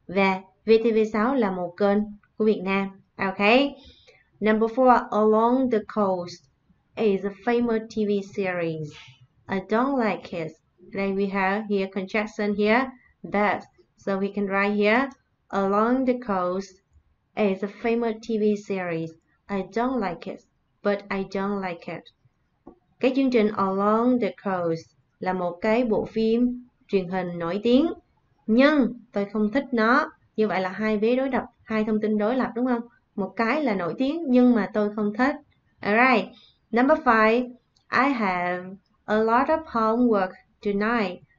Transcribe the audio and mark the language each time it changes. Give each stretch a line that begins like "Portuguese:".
Vietnamese: Và VTV6 là một kênh của Việt Nam. Okay.
English: Number 4, Along the Coast is a famous TV series. I don't like it. Then we have here conjunction here, but so we can write here, Along the Coast is a famous TV series. I don't like it, but I don't like it.
Vietnamese: Cái chương trình Along the Coast là một cái bộ phim truyền hình nổi tiếng, nhưng tôi không thích nó. Như vậy là hai vế đối lập, hai thông tin đối lập đúng không? Một cái là nổi tiếng nhưng mà tôi không thích.
English: Alright, number 5. I have a lot of homework tonight.